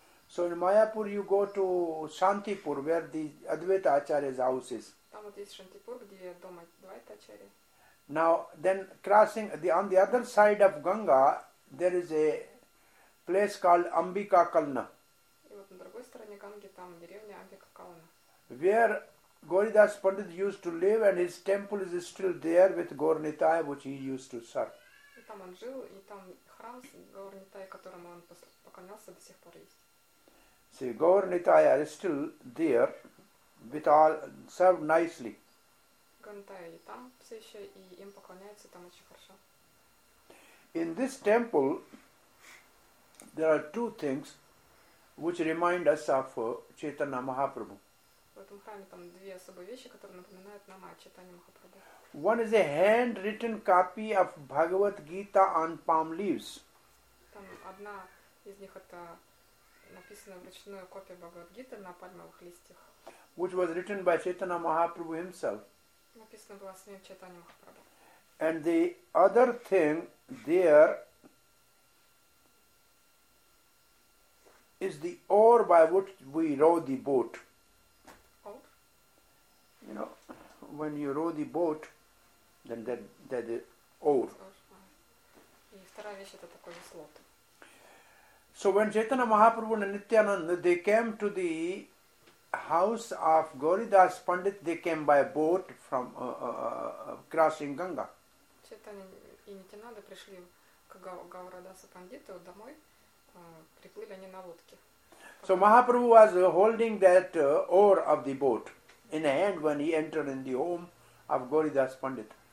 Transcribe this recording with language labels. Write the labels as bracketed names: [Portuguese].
[English] So in Mayapur you go to Shantipur where the Advaita Acharya's house is. [Russian] Там вот есть Шантипур, где дом Адвайта Ачарьи. [English] Now then crossing on the other side of Ganga there is a place called Ambika Kalna. [Russian] И вот на другой стороне Ганги там деревня Амбика Кална. [English] Where Goridas Pandit used to live and his temple is still there with Gaur Nitaya which he used to serve. [Russian] И там он жил, и там храм Gaur Nitaya, которому он поклонялся до сих пор есть. [English] See, Gaur Nitaya is still there with all served nicely. [Russian] Gaur Nitaya и там все еще, и им поклоняются там очень хорошо. [English] In this temple there are two things which remind us of Chaitanya Mahaprabhu. [Russian] В этом храме там две особые вещи, которые напоминают нам о Чайтанье Махапрабху. [English] One is a handwritten copy of Bhagavad Gita on palm leaves. [Russian] Там одна из них это написано вручную копия Бхагавад Гиты на пальмовых листьях. [English] Which was written by Chaitanya Mahaprabhu himself. [Russian] Написано было самим Чайтанье Махапрабху. [English] And the other thing there is the oar by which we row the boat. You know, when you row the boat, then that the oar. [Russian] И вторая вещь это такой веслот. [English] So when Chaitanya Mahaprabhu and Nityananda they came to the house of Goridas Pandit, they came by boat from crossing Ganga. [Russian] Chaitanya и Нитянанда пришли к Гаурадасу Пандиту домой, приплыли они на лодке. [English] So Mahaprabhu was holding that oar of the boat. In a hand when he entered in the home of Goridas Pandit.